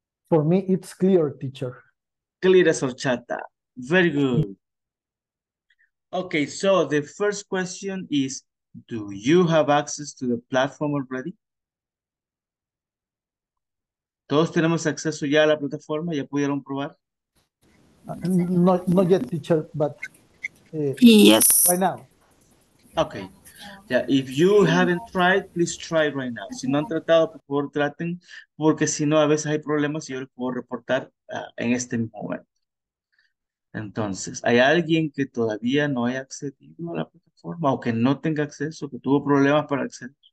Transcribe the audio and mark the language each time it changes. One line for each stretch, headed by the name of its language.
English: For me, it's clear, teacher. Clear as horchata. Very good. Okay, so the first question is, do you have access to the platform already?
Spanish: ¿Todos tenemos acceso ya a la plataforma? ¿Ya pudieron probar?
English: Not yet, teacher, but Yes. Right now. Okay. Yeah, if you haven't tried, please try right now.
Spanish: Si no han tratado, por favor, traten, porque si no, a veces hay problemas y yo les puedo reportar en este momento. Entonces, ¿hay alguien que todavía no haya accedido a la plataforma o que no tenga acceso, que tuvo problemas para acceder?